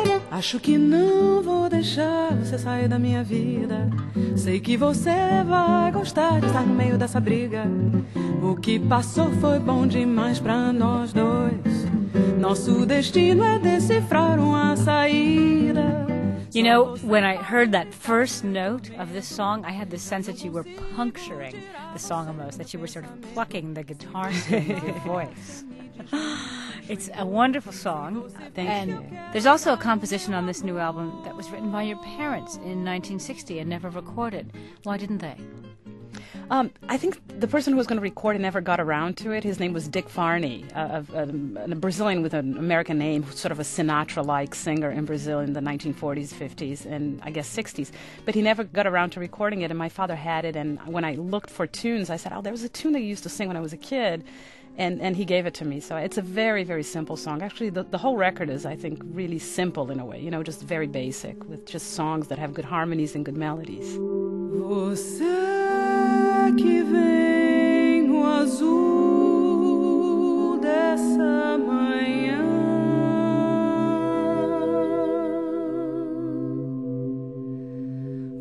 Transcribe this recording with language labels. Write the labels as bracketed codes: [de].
[pt] Acho que não vou deixar você sair da minha vida. Sei que você vai gostar de estar no meio dessa briga. O que passou foi bom demais pra nós dois. Nosso destino é decifrar uma saída. [en] You know, when I heard that first note of this song, I had the sense that you were puncturing the song almost, that you were sort of plucking the guitar string with your voice. It's a wonderful song. Thank you. There's also a composition on this new album that was written by your parents in 1960 and never recorded. Why didn't they? I think the person who was going to record it never got around to it. His name was Dick Farney, a Brazilian with an American name, sort of a Sinatra-like singer in Brazil in the 1940s, 50s, and I guess 60s. But he never got around to recording it, and my father had it. And when I looked for tunes, I said, oh, there was a tune that you used to sing when I was a kid. And he gave it to me. So it's a very, very simple song. Actually, the whole record is, I think, really simple in a way, you know, just very basic, with just songs that have good harmonies and good melodies. [pt] Você que vem no azul dessa manhã.